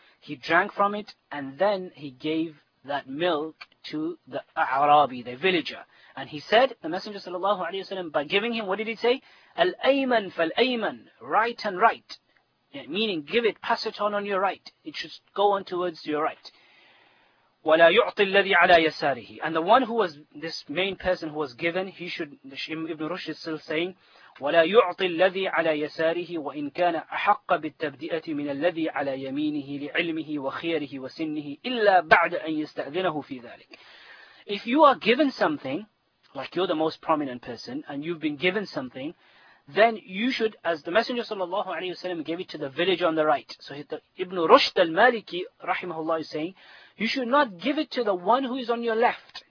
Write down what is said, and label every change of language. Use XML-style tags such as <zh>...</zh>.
<en>He drank from it and then he gave that milk to the Arabi, the villager. And he said, the Messenger sallallahu alayhi wa sallam, by giving him, what did he say?</en> <ar>Al-Ayman fal-Ayman,</ar> <en>right and right. Yeah, meaning, give it, pass it on your right. It should go on towards your right.</en> <ar>وَلَا يُعْطِ الَّذِي عَلَى يَسَارِهِ.</ar> <en>And the one who was, this main person who was given, he should, Ibn Rushd is still saying,</en> <ar>وَلَا يُعْطِ الَّذِي عَلَى يَسَارِهِ وَإِنْ كَانَ أَحَقَّ بِالتَّبْدِئَةِ مِنَ الَّذِي عَلَى يَمِينِهِ لِعِلْمِهِ وَخِيَرِهِ وَسِنِّهِ إِلَّا بَعْدَ أَن يَسْتَأْذِنَهُ فِي ذَلِكَ.</ar> <en>If you are given something, like you're the most prominent person, and you've been given something, then you should, as the Messenger sallallahu alayhi wa sallam gave it to the village on the right. So Ibn Rushd al-Maliki, rahimahullah, is saying, you should not give it to the one who is on your left.</en>